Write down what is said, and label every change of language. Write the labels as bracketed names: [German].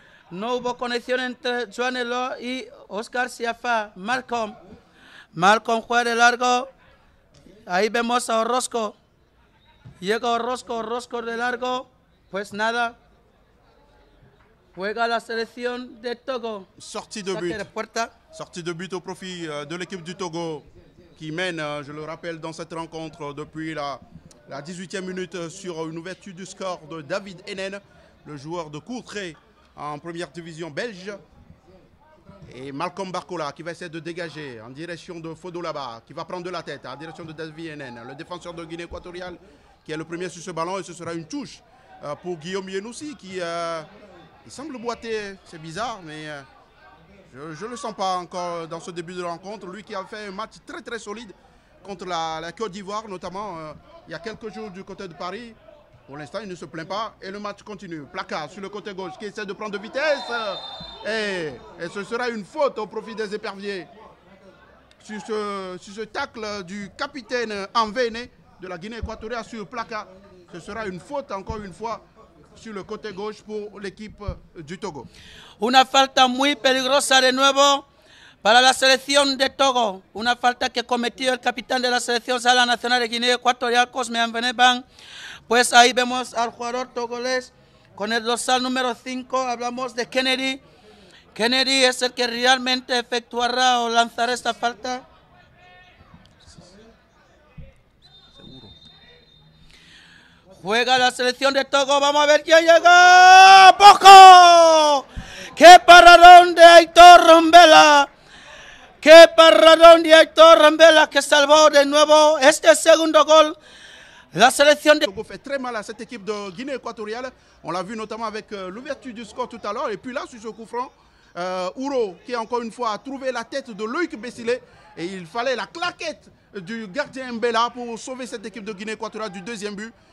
[Spanish] No hubo conexión entre Joan Elo y Oscar Siafa. Malcolm juega de largo. Ahí vemos a Orozco. Llega Orozco de largo. Pues nada. Juega la selección de Togo. [French] Sortie de but. [Spanish] Saque de puerta. [French] Sortie de but au profit de l'équipe du Togo. Qui mène, je le rappelle, dans cette rencontre depuis la 18e minute sur une ouverture du score de David Hénène, le joueur de Courtrai. En première division belge. Et Malcolm Barcola qui va essayer de dégager en direction de Fodoulaba qui va prendre de la tête en direction de David Hénène, le défenseur de Guinée équatoriale qui est le premier sur ce ballon. Et ce sera une touche pour Guillaume Yenoussi qui il semble boiter. C'est bizarre, mais je ne le sens pas encore dans ce début de rencontre. Lui qui a fait un match très très solide contre la Côte d'Ivoire, notamment il y a quelques jours du côté de Paris. Pour l'instant, il ne se plaint pas et le match continue. Placard sur le côté gauche qui essaie de prendre de vitesse. Et ce sera une faute au profit des éperviers. Sur ce tacle du capitaine Envéné de la Guinée équatoriale sur Placard, ce sera une faute encore une fois sur le côté gauche pour l'équipe du Togo. [Spanish] Una falta muy peligrosa de nuevo para la selección de Togo. Una falta que cometió el capitán de la selección sala nacional de Guinea Ecuatorial, Cosme Anveneban. Pues ahí vemos al jugador togolés con el dorsal número 5. Hablamos de Kennedy. Kennedy es el que realmente efectuará o lanzará esta falta. Seguro. Juega la selección de Togo. Vamos a ver quién llega. ¡Poco! ¡Qué paradón de Aitor Mbela! ¡Qué paradón de Aitor Mbela que salvó de nuevo este segundo gol! [French] La sélection de Togo fait très mal à cette équipe de Guinée équatoriale. On l'a vu notamment avec l'ouverture du score tout à l'heure. Et puis là, sur ce coup franc, Ouro qui encore une fois a trouvé la tête de Loïc Bessilé. Et il fallait la claquette du gardien Mbela pour sauver cette équipe de Guinée équatoriale du deuxième but.